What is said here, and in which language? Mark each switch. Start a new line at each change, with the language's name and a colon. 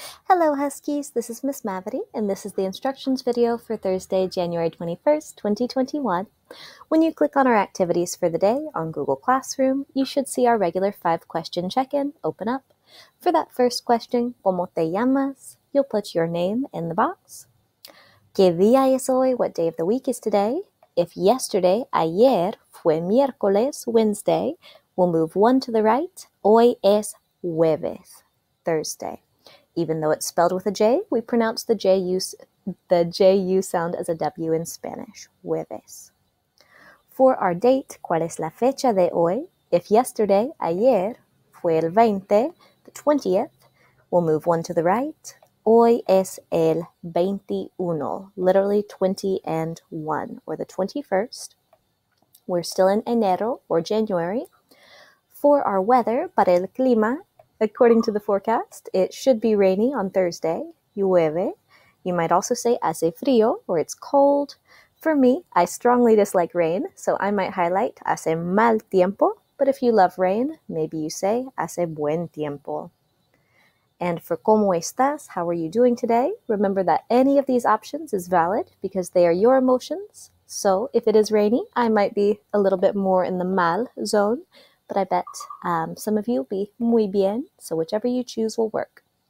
English: Hello Huskies, this is Miss Mavity, and this is the instructions video for Thursday, January 21st, 2021. When you click on our activities for the day on Google Classroom, you should see our regular 5-question check-in open up. For that first question,
Spanish: ¿Cómo te llamas?
English: You'll put your name in the box.
Spanish: ¿Qué día es hoy?
English: What day of the week is today? If yesterday,
Spanish: ayer, fue miércoles,
English: Wednesday, we'll move one to the right.
Spanish: Hoy es jueves, Thursday.
English: Even though it's spelled with a J, we pronounce the J U sound as a W in Spanish, jueves. For our date,
Spanish: ¿cuál es la fecha de hoy?
English: If yesterday, ayer,
Spanish: fue el 20,
English: the 20th, we'll move one to the right.
Spanish: Hoy es el 21,
English: literally 20 and 1, or the 21st. We're still in enero, or January. For our weather,
Spanish: para el clima,
English: according to the forecast, it should be rainy on Thursday, llueve. You might also say
Spanish: hace frío,
English: or it's cold. For me, I strongly dislike rain, so I might highlight
Spanish: hace mal tiempo.
English: But if you love rain, maybe you say
Spanish: hace buen tiempo.
English: And for
Spanish: cómo estás,
English: how are you doing today? Remember that any of these options is valid because they are your emotions. So if it is rainy, I might be a little bit more in the mal zone. But I bet some of you will be
Spanish: muy bien,
English: so whichever you choose will work.